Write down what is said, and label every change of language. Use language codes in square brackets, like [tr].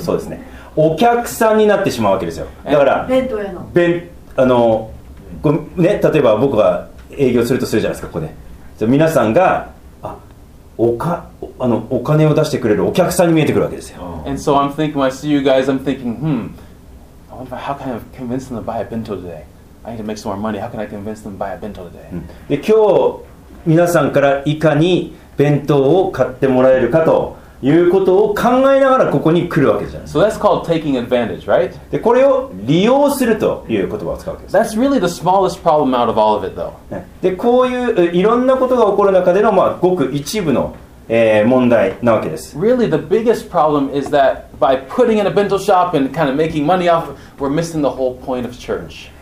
[ja] そうですね、お客さんになってしまうわけですよ。だから弁当屋の弁、あの、ね、例えば僕が営業するとするじゃないですか、ここで皆さんが、あ、あの、お金を出してくれるお客さんに見えてくるわけですよ。 [en] And so I'm thinking, when I see you guys, I'm thinking, I wonder how can I convince them to buy a bento today? I need to make some more money. How can I convince them to buy a bento today? [ja] で、今日皆さんからいかに弁当を買ってもらえるかということを考えながらここに来るわけじゃない。 [en] So that's called taking advantage, right? [ja] で、これを利用するという言葉を使うわけです。 [en] That's really the smallest problem out of all of it, though. [ja] で、こういういろんなことが起こる中での、まあ、ごく一部の、問題なわけです。 [en] Really, the biggest problem is that by putting in a bento shop and kind of making money off, we're missing the whole point of church.